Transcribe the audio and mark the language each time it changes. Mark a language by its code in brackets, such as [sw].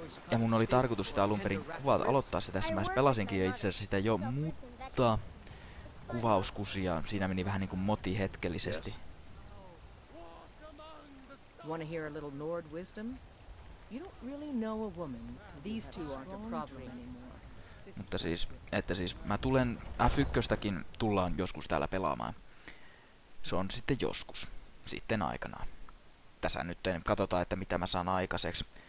[fi] Ja mun oli tarkoitus sitä alun perin kuvata, aloittaa se tässä. Mä pelasinkin jo itse asiassa sitä jo, mutta kuvauskusia, siinä meni vähän niinku moti hetkellisesti. [en] Wanna hear a little Nord wisdom? You don't really know a woman. These two aren't a problem anymore. [fi] Mutta siis, että siis mä tulen F1:stäkin tullaan joskus täällä pelaamaan. Se on sitten joskus. Sitten aikanaan. Tässä nyt katsotaan, että mitä mä saan aikaiseksi.